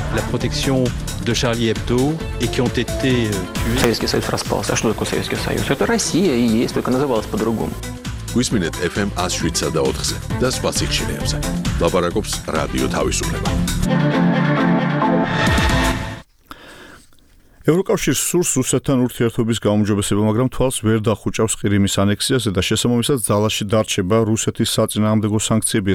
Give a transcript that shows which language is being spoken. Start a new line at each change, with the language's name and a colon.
French: protection de Charlie Hebdo et qui ont été tués.
Russian: Советский Союз распался. А что такое Советский Союз? Это Россия и есть, только называлась по-другому.
Georgian: Гусминет FM 104-ზე და სხვა სიხშირეებზე. ლაპარაკობს რადიო თავისუფლება. ევროკავშირის სურს რუსეთთან ურთიერთობის გაუმჯობესება, მაგრამ თვალს ვერ დახუჭავს ყირიმის ანექსიაზე და შესაბამისად ძალაში დარჩება რუსეთის საწინააღმდეგო სანქციები.